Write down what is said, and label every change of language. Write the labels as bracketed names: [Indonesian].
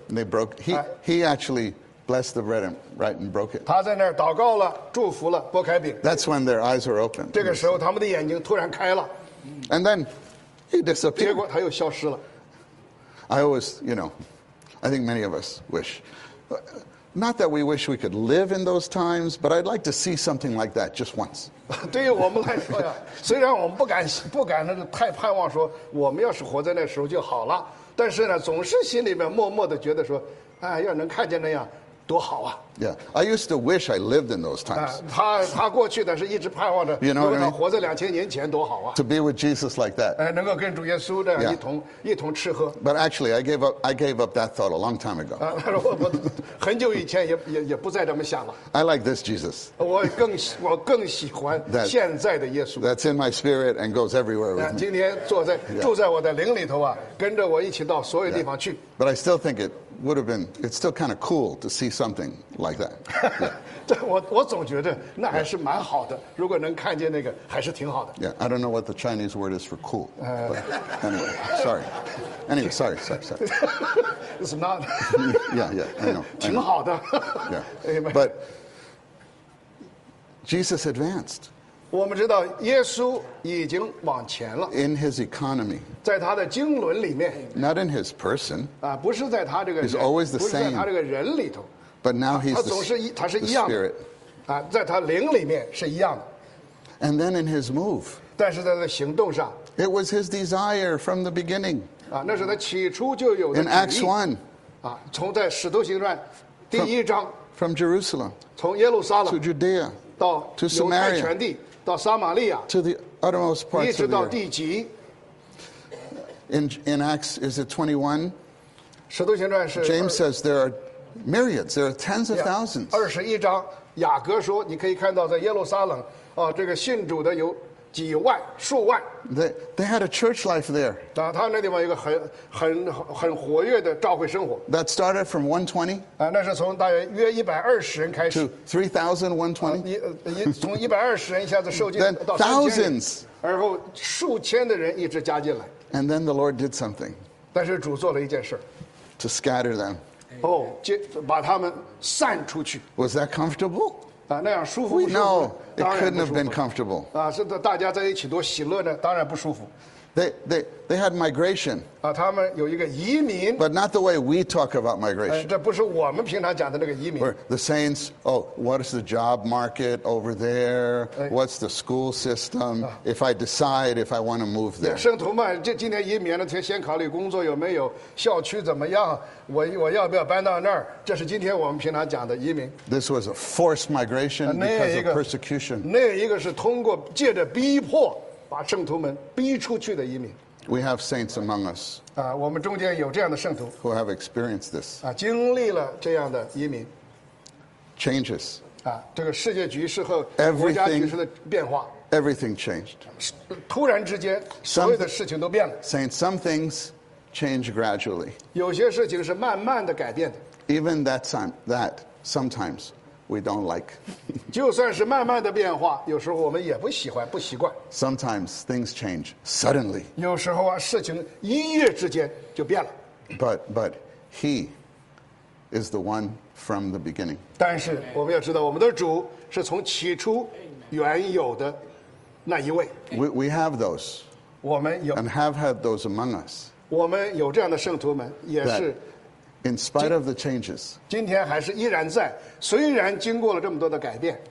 [English] they broke, he actually blessed the bread and broke it. [Chinese] 他在那儿祷告了，祝福了，擘开饼 [English] That's when their eyes were opened. [Chinese] 这个时候他们的眼睛突然开了 [English] And then he disappeared. [Chinese] 结果他又消失了 [English] I always, you know, I think many of us wish, not that we wish we could live in those times, but I'd like to see something like that just once. [Chinese] 对于我们来说呀，虽然我们不敢那个太盼望说我们要是活在那时候就好了，但是呢，总是心里面默默的觉得说，要能看见那样多好啊。 [English] Yeah, I used to wish I lived in those times. [Chinese] 他过去的是一直盼望着， [English] you know what I mean? [Chinese] 活在2000年前多好啊。 [English] To be with Jesus like that. [Chinese] 能够跟主耶稣这样一同吃喝。 [English] But actually, I gave up that thought a long time ago. [Chinese] 他说我很久以前也不再这么想了。 [English] I like this Jesus. [Chinese] 我更喜欢现在的耶稣。 [English] That's in my spirit and goes everywhere with me. [Chinese] 今天住在我的灵里头啊，跟着我一起到所有地方去。 [English] But I still think it's still kind of cool to see something like that. [Chinese] 我总觉得那还是蛮好的，如果能看见那个还是挺好的。 [English] Yeah, I don't know what the Chinese word is for cool. Anyway, sorry. Anyway, sorry, sorry, sorry. It's not. Yeah, yeah, I know. [Chinese] 挺好的。 [English] Yeah. But Jesus advanced. [Chinese] 我们知道耶稣已经往前了。 [English] In his economy. [Chinese] 在他的经纶里面。 [English] Not in his person. [Chinese] 不是在他这个。 [English] He's always the same. [Chinese] 不是在他这个人里头。 [English] But now he's the spirit. [Chinese] 在他灵里面是一样的。 [English] And then in his move. [Chinese] 但是在他的行动上。 [English] It was his desire from the beginning. [Chinese] 那是他起初就有的旨意。 [English] In Acts 1. [Chinese] 从在使徒行传第一章。 [English] From Jerusalem. [Chinese] 从耶路撒冷。 [English] To Judea. [Chinese] 到犹太全地。到撒玛利亚。 [English] To the uttermost parts of the earth. [Chinese] 一直到地极。 [English] In Acts, is it 21? [Chinese] 使徒行传是。 [English] James says there are myriads, there are tens of thousands. [Chinese] 21章，雅各说，你可以看到在耶路撒冷，这个信主的有几万、数万。 [English] They had a church life there. [Chinese] 他那地方有个很活跃的召会生活。 [English] That started from 120. [Chinese] 那是从大约120人开始。 [English] To 3,120. [Chinese] 从120人一下子受尽到 [English] Then thousands. [Chinese] 然后数千的人一直加进来。 [English] And then the Lord did something. [Chinese] 但是主做了一件事。 [English] To scatter them. [Chinese] 把他们散出去。 [English] Was that comfortable? [Chinese] 那样舒服不舒服？ [English] No, it couldn't have been comfortable. [Chinese] 是大家在一起多喜乐呢，当然不舒服。 [English] They had migration. [Chinese] 他们有一个移民。 [English] But not the way we talk about migration. [Chinese] 这不是我们平常讲的那个移民。 [English] Where the saints, what is the job market over there? What's the school system? If I decide if I want to move there. [Chinese] 圣徒们，这今天移民了，先考虑工作有没有，校区怎么样，我要不要搬到那儿？这是今天我们平常讲的移民。 [English] This was a forced migration because of persecution. [Chinese] 那一个是通过借着逼迫。把圣徒们逼出去的移民。 [English] We have saints among us. [Chinese] 我们中间有这样的圣徒。 [English] Who have experienced this? [Chinese] 经历了这样的移民。 [English] Changes. [Chinese] 这个世界局势和国家局势的变化。 [English] Everything changed. [Chinese] 突然之间，所有的事情都变了。 [English] Saints, some things change gradually. [Chinese] 有些事情是慢慢的改变的。 [English] Even that sometimes we don't like. [Chinese] 就算是慢慢的变化，有时候我们也不喜欢，不习惯。 [English] Sometimes things change suddenly. [Chinese] 有时候啊，事情一夜之间就变了。 [English] But he is the one from the beginning. [Chinese] 但是我们要知道，我们的主是从起初原有的那一位。 [English] We have those. [Chinese] 我们有。 [English] And have had those among us. [Chinese] 我们有这样的圣徒们，也是。 [English] In spite of the changes, [Chinese] 今天还是依然在，虽然经过了这么多的改变。